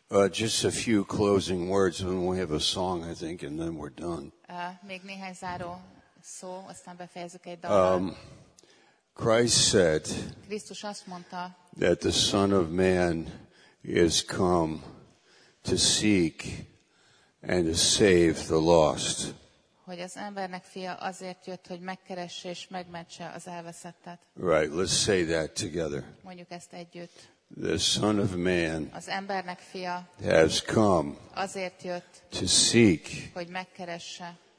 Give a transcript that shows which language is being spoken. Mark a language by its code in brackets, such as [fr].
[en] Just a few closing words, and we have a song, I think, and then we're done. [hu] Még néhány záró szó, aztán befejezzük egy dalt. [en] Christ said, [hu] Krisztus azt mondta, [en] that the Son of Man is come to seek and to save the lost. [hu] Hogy az embernek fia azért jött, hogy megkeresse és megmentse az elveszettet. [en] Right, let's say that together. [hu] Mondjuk ezt együtt. [en] The Son of Man [hu] az embernek fia [en] has come [hu] azért jött, [en] to seek [hu] hogy megkeresse,